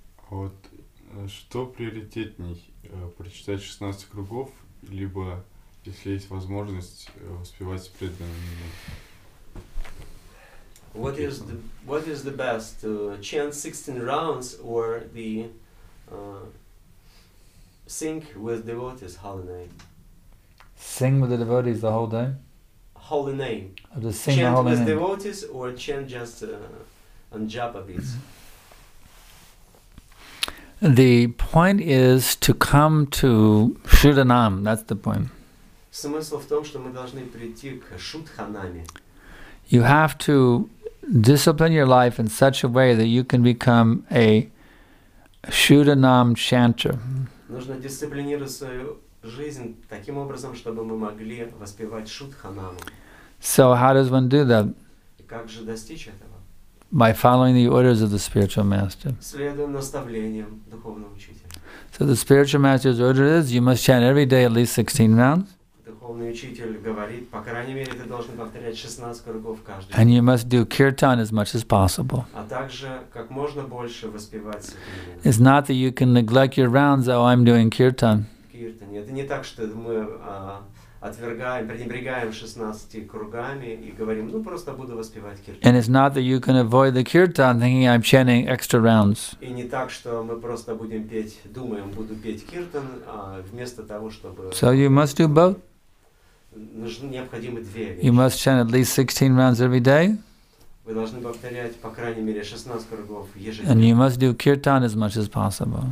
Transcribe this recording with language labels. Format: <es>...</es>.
<ru>Вот, что приоритетней, прочитать 16 кругов, либо, если есть возможность, успевать преданными?</ru> <en>What is the best, to chant 16 rounds or the sing with devotees holy name? Sing with the devotees the whole day? Holy name. Or just sing chant holy with name. Devotees or chant just on japa beats? The point is to come to Шуданам. That's the point.</en> <ru>Смысл в том, что мы должны прийти к Шудханаме.</ru> <en>You have to discipline your life in such a way that you can become a Шуданам chanter.</en> <ru>Нужно дисциплинировать свою жизнь таким образом, чтобы мы могли воспевать Шудханаму.</ru> <en>So how does one do that?</en> <ru>Как же достичь этого?</ru> <en>By following the orders of the spiritual master.</en> <ru>Следуя наставлениям духовного учителя.</ru> <en>So the spiritual master's order is you must chant every day at least 16 rounds.</en> <ru>Духовный учитель говорит, по крайней мере, ты должен повторять 16 кругов каждый день.</ru> <en>And you must do kirtan as much as possible.</en> <ru>А также как можно больше воспевать.</ru> <en>It's not that you can neglect your rounds, oh, I'm doing kirtan.</en> <ru>Это не так, что мы отвергаем, пренебрегаем 16 кругами и говорим, ну просто буду воспевать киртан.</ru> <en>And it's not that you can avoid the kirtan, thinking I'm chanting extra rounds.</en> <ru>И не так, что мы просто будем петь, думаем, буду петь киртан, вместо того, чтобы.</ru> <en>So you must do both.</en> <ru>Нужны необходимы две вещи.</ru> <en>You must chant at least 16 rounds every day.</en> <ru>Вы должны повторять по крайней мере 16 кругов ежедневно.</ru> <en>And you must do kirtan as much as possible.</en>